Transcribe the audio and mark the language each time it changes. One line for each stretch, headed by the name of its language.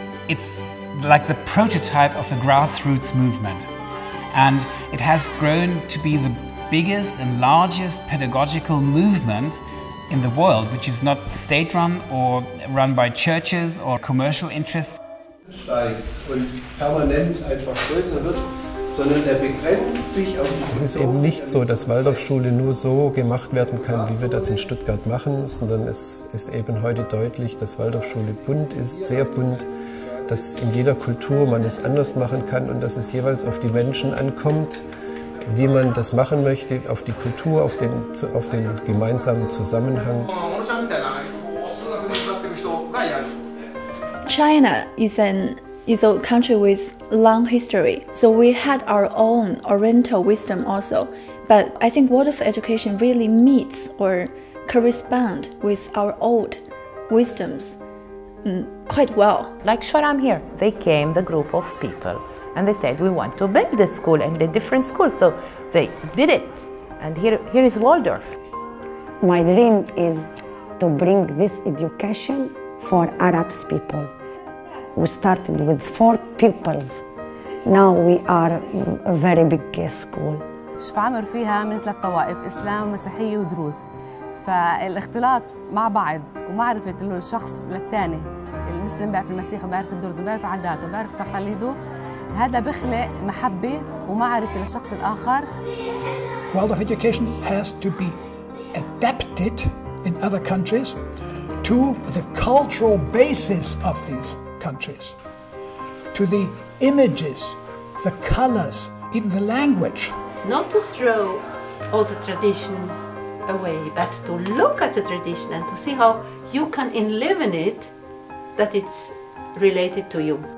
English: It's like the prototype of a grassroots movement. And it has grown to be the biggest and largest pedagogical movement in the world, which is not state-run or run by churches or commercial interests.
German: Es ist eben nicht so, dass Waldorfschule nur so gemacht werden kann, wie wir das in Stuttgart machen, sondern es ist eben heute deutlich, dass Waldorfschule bunt ist, sehr bunt, dass in jeder Kultur man es anders machen kann und dass es jeweils auf die Menschen ankommt, wie man das machen möchte, auf die Kultur, auf den gemeinsamen Zusammenhang.
English: China is a country with long history, so we had our own oriental wisdom also. But I think Waldorf education really meets or corresponds with our old wisdoms quite well. Like Shoram here, they came, the group of people, and they said, we want to build a school and a different school. So they did it. And here is Waldorf. My dream is to bring this education for Arab people. We started with 4 pupils. Now we are a very big school.
Arabic: شفعمر فيها من 3 طوائف إسلام ومسيحية ودروز. فالاختلاط مع بعض ومعرفة إنه الشخص للثاني المسلم بيعرف المسيح وبيعرف الدروز وبيعرف عاداته وبيعرف تقاليده هذا بخلق محبة ومعرفة للشخص الآخر.
English: Waldorf education has to be adapted in other countries to the cultural basis of these countries, to the images, the colors, even the language. Not to throw all the tradition away, but to look at the tradition and to see how you can live in it, that it's related to you.